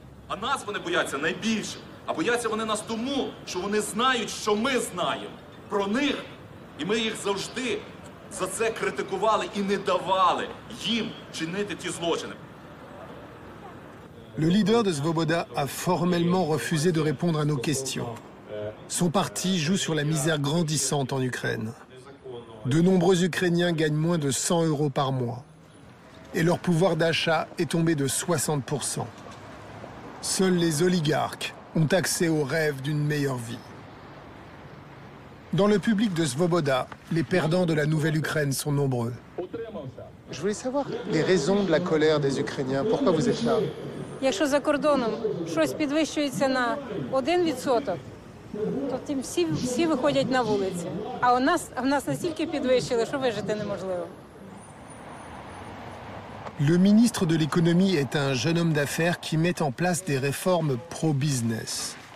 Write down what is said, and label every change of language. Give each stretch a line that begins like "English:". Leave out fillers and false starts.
Ukrainian: А нас вони бояться найбільше. А бояться вони нас тому, що вони знають, що ми знаємо про них. І ми їх завжди за це критикували і не давали їм чинити ті злочини.
French: Le leader de Svoboda a formellement refusé de répondre à nos questions. Son parti joue sur la misère grandissante en Ukraine. De nombreux Ukrainiens gagnent moins de 100 euros par mois. Et leur pouvoir d'achat est tombé de 60%. Seuls les oligarques ont accès au rêve d'une meilleure vie. Dans le public de Svoboda, les perdants de la nouvelle Ukraine sont nombreux. Je voulais savoir les raisons de la colère des Ukrainiens. Pourquoi vous êtes là?
Ukrainian: Якщо за кордоном щось підвищується на 1%, то тим всі виходять на вулиці. А у нас настільки підвищили, що вижити неможливо.
French: Le ministre de l'économie est un jeune homme d'affaires qui met en place des réformes pro-business.